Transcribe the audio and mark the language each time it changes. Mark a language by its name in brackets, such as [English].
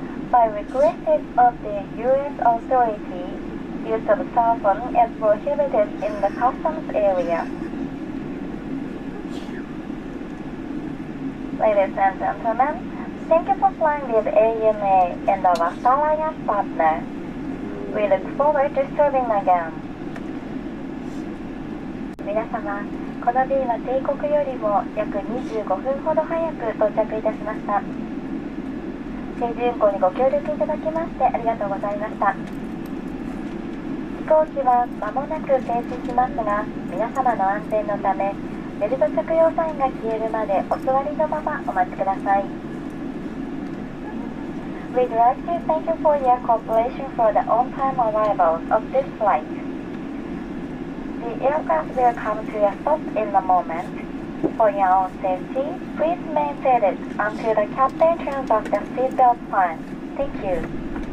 [English] By request of the U.S. authority, use of cell phone is prohibited in the customs area. Ladies and gentlemen, thank you for flying with ANA and our Star Alliance partner. We look forward to serving again. [Japanese] 皆様、この便は定刻よりも約25分ほど早く到着いたしました。整備運行にご協力いただきましてありがとうございました。飛行機は間もなく停止しますが、皆様の安全のためベルト着用サインが消えるまでお座りのままお待ちください。 [English] We'd like to thank you for your cooperation for the on-time arrival of this flight. The aircraft will come to a stop in a momentFor your own safety, please remain seated until the captain turns off the seatbelt sign. Thank you.